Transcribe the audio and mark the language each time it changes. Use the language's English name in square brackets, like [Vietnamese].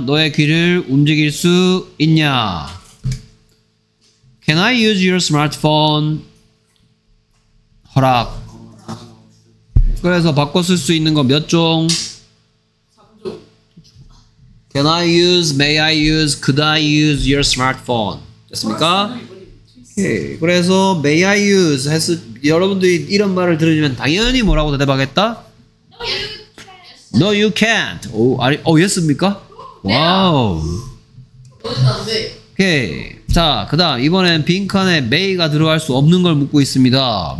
[Korean] 너의 귀를 움직일 수 있냐? [English] Can I use your smartphone? 허락. [Korean] 그래서 바꿔 쓸 수 있는 거 몇 종? 3종. [English] Can I use, may I use, could I use your smartphone? [Korean] 됐습니까? 그래서 may I use 해서 여러분들이 이런 말을 들으면 당연히 뭐라고 대답하겠다? [English] No, you can't. [Korean] 오, 아니, 오, 예스입니까? 와우. 오케이. 자, 그다음 이번엔 빈칸에 may가 들어갈 수 없는 걸 묻고 있습니다.